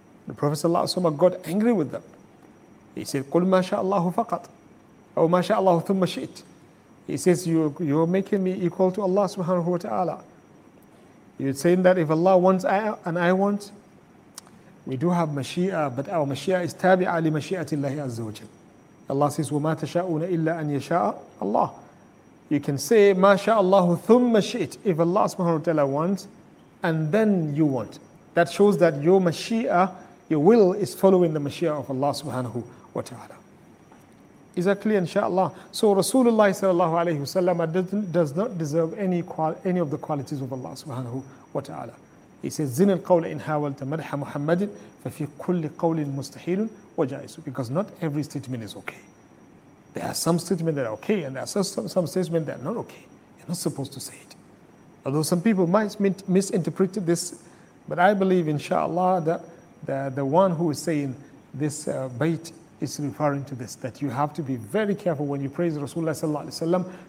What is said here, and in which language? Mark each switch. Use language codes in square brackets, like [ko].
[en] The Prophet sallallahu alaihi wasallam got angry with them. He said, [ar] "Qul masha'Allah faqat, aw masha'Allah thumma shit." [en] He says, you're making me equal to Allah subhanahu wa ta'ala. You're saying that if Allah wants and I want, we do have mashi'a, but our mashi'a is [ar] tabi'a li mashi'atillahi azza wa jal. [en] Allah says, [ar] وَمَا تَشَاءُونَ إِلَّا أَنْ يَشَاءَ Allah. [en] You can say, [ar] مَا شَاءَ اللَّهُ ثُمَّ شِئْتْ [en] If Allah subhanahu wa ta'ala wants, and then you want. That shows that your mashi'a, your will is following the mashi'a of Allah subhanahu wa ta'ala. Is that clear, inshaAllah? So Rasulullah sallallahu alayhi wa sallam does not deserve any of the qualities of Allah subhanahu wa ta'ala. He says, [ar] زِنَ الْقَوْلِ إِنْ هَاوَلْتَ مَدْحَ مُحَمَّدٍ فَفِي كُلِّ قَوْلٍ مُسْتَحِيلٌ وَجَائِسٌ [en] Because not every statement is okay. There are some statements that are okay, and there are some statements that are not okay. You're not supposed to say it. Although some people might misinterpret this, but I believe, inshaAllah, that the one who is saying this bait is referring to this, that you have to be very careful when you praise Rasulullah sallallahu alaihi wasallam.